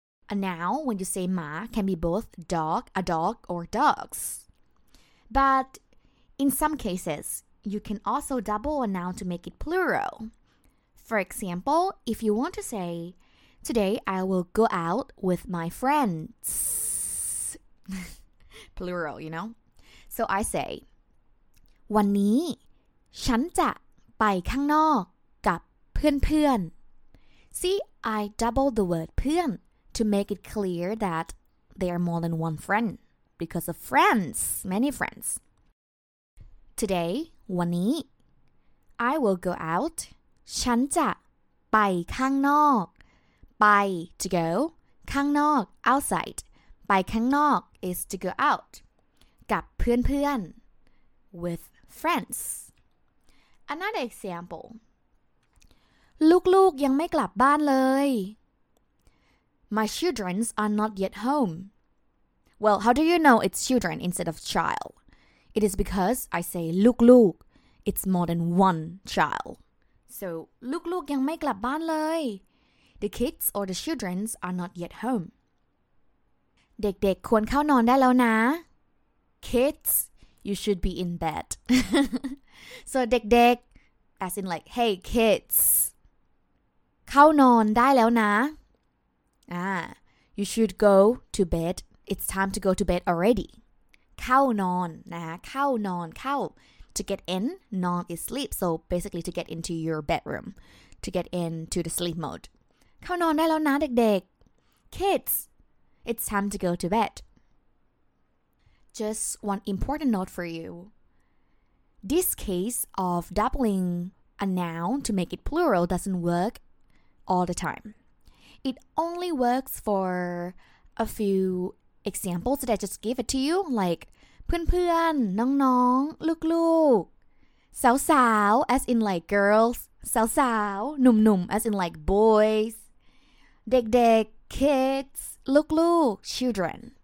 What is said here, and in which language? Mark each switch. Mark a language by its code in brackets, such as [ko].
[en] A noun, when you say ma, can be both dog, a dog, or dogs. But in some cases, you can also double a noun to make it plural. For example, if you want to say, today I will go out with my friends. Plural, you know? So I say, [th] วันนี้ฉันจะไปข้างนอกกับเพื่อนเพื่อน [en] See, I double the word เพื่อนto make it clear that they are more than one friend because of friends, many friends. Today, [th] วันนี้ [en] I will go out. [th] ฉันจะไปข้างนอก ไป [en] to go [th] ข้างนอก [en] outside. [th] ไปข้างนอก [en] is to go out. [th] กับเพื่อนเพื่อน [en] with friends. Another example. [th] ลูกๆยังไม่กลับบ้านเลย [en] My children are not yet home. Well, how do you know it's children instead of child? It is because I say [th] "lúc lúc." [en] It's more than one child. [th] So, "lúc lúc yang mai glap ban lei." [en] The kids or the children are not yet home. [th] เด็กๆควรเข้านอนได้แล้วนะ [en] Kids, you should be in bed. So, เด็กๆ as in like, hey kids, [th] เข้านอนได้แล้วนะ [en] You should go to bed. It's time to go to bed already. [th] เข้านอนนะคะ เข้านอน เข้า [en] to get in, non is sleep. So basically to get into your bedroom, to get into the sleep mode. [th] เข้านอนได้แล้วนะเด็กๆ [en] Kids, it's time to go to bed. Just one important note for you. This case of doubling a noun to make it plural doesn't work all the time. It only works for a few examples that I just gave it to you, like เพื่อนๆ น้องๆ ลูกๆ สาวๆ as in like girls, สาวๆ หนุ่มๆ as in like boys, เด็กๆ kids, ลูกๆ children.